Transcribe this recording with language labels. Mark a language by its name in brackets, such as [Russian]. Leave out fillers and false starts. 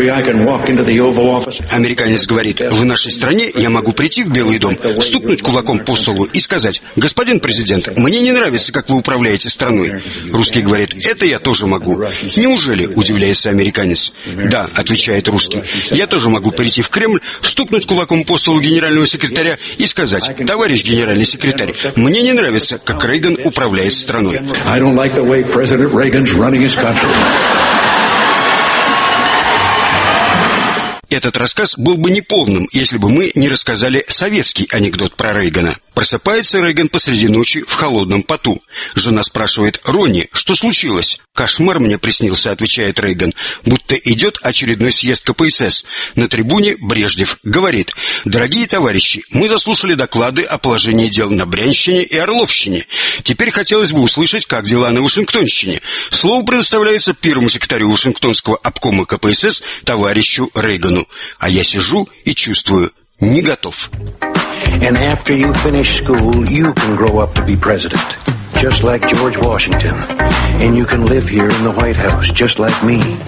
[Russian] Американец говорит: «В нашей стране я могу прийти в Белый дом, стукнуть кулаком по столу и сказать: господин президент, мне не нравится, как вы управляете страной». Русский говорит: «Это я тоже могу». «Неужели?» – удивляется американец. «Да», – отвечает русский, – «я тоже могу прийти в Кремль, стукнуть кулаком по столу генерального секретаря и сказать: товарищ генеральный секретарь, мне не нравится, как Рейган управляет страной». [English] «I don't like the way President Reagan's running his country». [Russian] Этот рассказ был бы неполным, если бы мы не рассказали советский анекдот про Рейгана. Просыпается Рейган посреди ночи в холодном поту. Жена спрашивает: «Ронни, что случилось?» «Кошмар мне приснился», — отвечает Рейган, — «будто идет очередной съезд КПСС». На трибуне Брежнев говорит: «Дорогие товарищи, мы заслушали доклады о положении дел на Брянщине и Орловщине. Теперь хотелось бы услышать, как дела на Вашингтонщине. Слово предоставляется первому секретарю Вашингтонского обкома КПСС товарищу Рейгану. А я сижу и чувствую: не готов». [English] And after you finish school, you can grow up to be president, just like George Washington. And you can live here in the White House, just like me.